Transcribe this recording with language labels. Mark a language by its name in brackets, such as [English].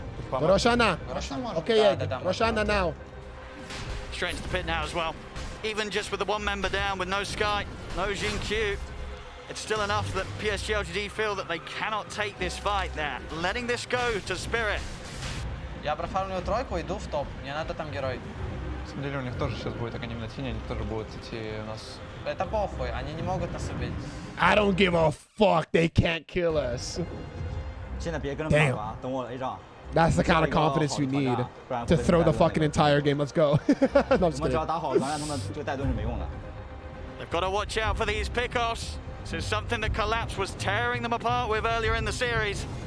[English] Goroshana. Okay, yeah, Goroshana now. Straight into the pit now as well. Even just with the one member down, with no Sky, no Jinkyu, it's still enough that PSG LGD feel that they cannot take this fight there. Letting this go to Spirit. [Russian] Я профармлю тройку, иду в топ. Мне надо там герой. На самом деле у них тоже сейчас будет анимная тень, они тоже будут идти у нас. Это похуй, они не могут нас убить. [English] I don't give a fuck, they can't kill us. Damn. Damn. That's the kind of confidence you need to throw the fucking entire game. Let's go. No, I'm just kidding. They've got to watch out for these pickoffs. This is something that Collapse was tearing them apart with earlier in the series.